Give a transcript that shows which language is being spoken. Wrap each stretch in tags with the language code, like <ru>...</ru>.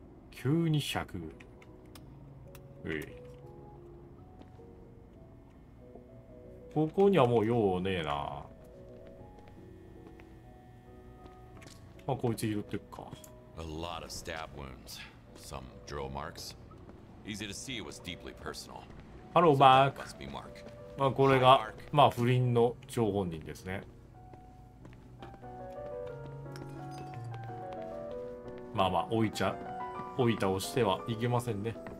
<ja>急に100。うい。ここにはもう用ねえな。まあ、こいつ拾っていくか。</ja> <en>A lot of stab wounds. Some drill marks. Easy to see it was deeply personal.</en> <ja>ハロー、マーク。まあ、これが、まあ、不倫の張本人ですね。まあまあ、置いちゃ、置いたをしてはいけませんね。</ja>